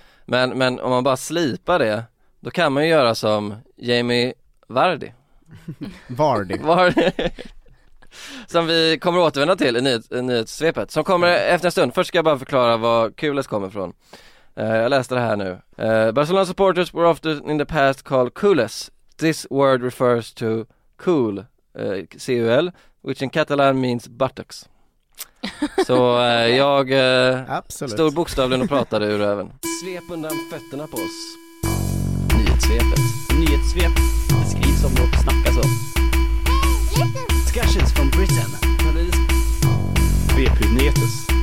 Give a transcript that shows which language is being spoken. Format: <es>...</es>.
<sv>Men om man bara slipar det, då kan man ju göra som Jamie Vardy. Vardy. Vardy. Som vi kommer att återvända till i nyhetssvepet. Som kommer efter en stund. Först ska jag bara förklara var Kules kommer från. Jag läste det här nu.</sv> <en>Barcelona supporters were often in the past called Kules. This word refers to cool, C-U-L, which in Catalan means buttocks.</en> <sv>Så jag stod bokstavligen och pratade ur öven. Svep undan fötterna på oss. Nyhetssvepet. Nyhetssvep. Det skrivs om något, snackas om.</sv> <en>Discussions from Britain. VP-nyhetes.</en>